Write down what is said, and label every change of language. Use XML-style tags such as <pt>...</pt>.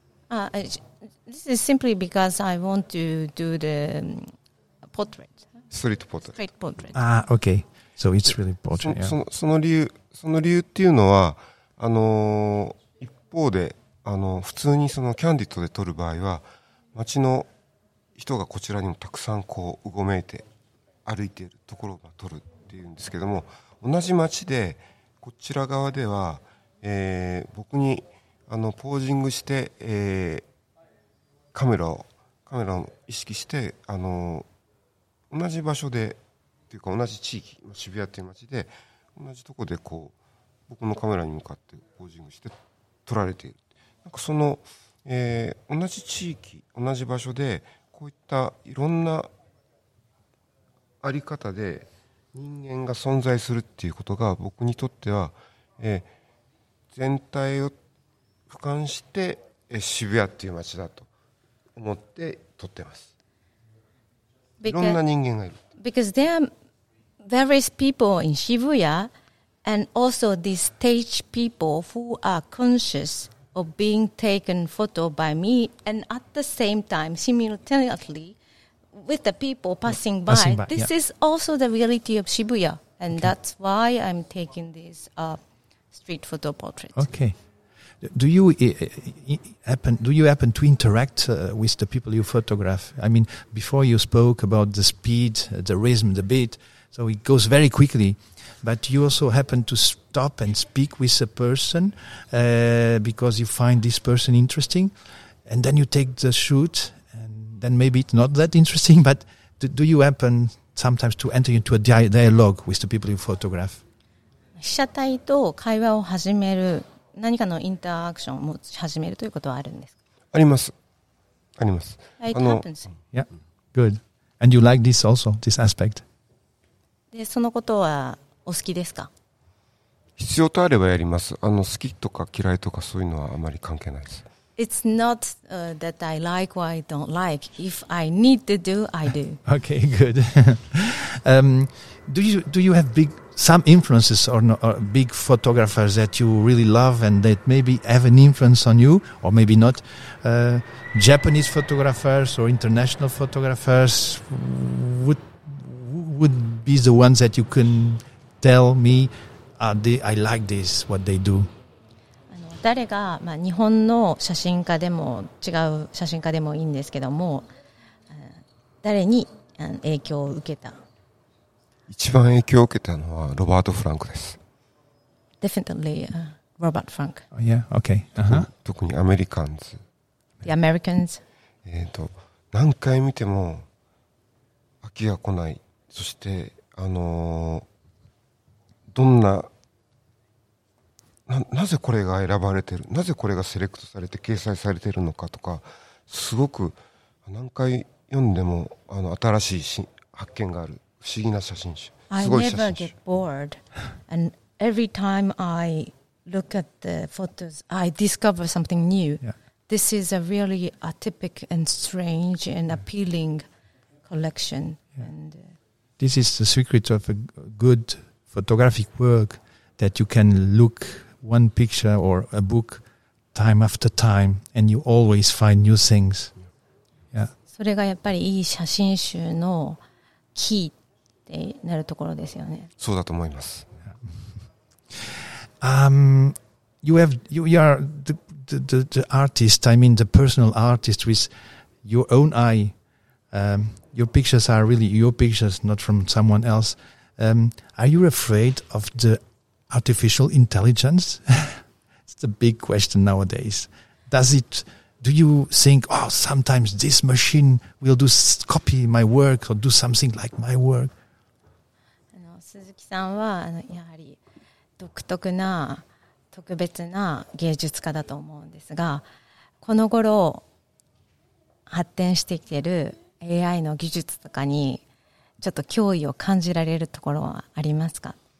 <en>This is simply because I want to do the portrait.</en> <ja>ストリートポートレート。ストリートポートレート。</ja> <en>ああ、okay. So it's really portrait. Yeah.</en> <ja>その理由っていうのは、一方で、普通にそのキャンディットで撮る場合は街の人がこちらにもたくさんこううごめいて歩いているところを撮るっていうんですけども、同じ街でこちら側では、僕にあのポージングして、カメラを意識して、同じ場所でっていうか同じ地域、渋谷っていう街で同じところでこう僕のカメラに向かってポージングして撮られている、なんかその同じ地域同じ場所でこういったいろんなあり方で人間が存在するっていうことが僕にとっては、全体を俯瞰して、渋谷っていう街だと思って撮ってます。いろんな人間がいる。</ja> <en>Because there are various people in Shibuya and also these stage people who are consciousof being taken photo by me and at the same time simultaneously with the people passing by. Passing by, this is also the reality of Shibuya. And that's why I'm taking this street photo portrait. Okay. Do you happen to interact with the people you photograph? I mean, before you spoke about the speed, the rhythm, the beat, so it goes very quickly. But you also happen to stop and speak with a person because you find this person interesting, and then you take the shoot, and then maybe it's not that interesting. But do you happen sometimes to enter into a dialogue with the people you photograph?</en> <ja>被写体と会話を始める何かのインタラクションを持ち始めるということはあるんですか？あります。あります。</ja> <en>It happens. Yeah, good. And you like this also, this aspect?</en> <ja>で、そのことはお好きですか？必要とあればやります。好きとか嫌いとかそういうのはあまり関係ないです。</ja> <en>It's not that I like or I don't like. If I need to do, I do. Okay, good. do you have big... some influences or big photographers that you really love and that maybe have an influence on you, or maybe not, Japanese photographers or international photographers, would be the ones that you can tell me, I like this, what they do?</en> <ja>誰が、まあ、日本の写真家でも違う写真家でもいいんですけども、誰に影響を受けた一番影響を受けたのはロバート・フランクです。</ja> <en>Definitely, Robert Frank. Oh, yeah, okay.</en> <ja>Uh-huh. 特にアメリカンズ。</ja> <en>The Americans.</en> <ja>何回見ても飽きが来ない。そして、どんな、なぜこれが選ばれてる、なぜこれがセレクトされて掲載されてるのかとか、すごく何回読んでも新しい発見がある。不思議な写真集。</ja> <en>I never get bored. And every time I look at the photos, I discover something new. Yeah. This is a really atypic and strange and appealing collection. Yeah. And, this is the secret of a good photographic work, that you can look one picture or a book time after time and you always find new things. Yeah.</en> <ja>それがやっぱりいい写真集のキーなるところですよね。そうだと思います。</ja> <en>You are the artist. I mean the personal artist with your own eye. Your pictures are really your pictures, not from someone else. Are you afraid of the artificial intelligence? It's the big question nowadays. Do you think, oh, sometimes this machine will do copy my work or do something like my work?</en> <ja>鈴木さんはやはり独特な特別な芸術家だと思うんですが、この頃発展してきている AI の技術とかにちょっと脅威を感じられるところはありますか？</ja>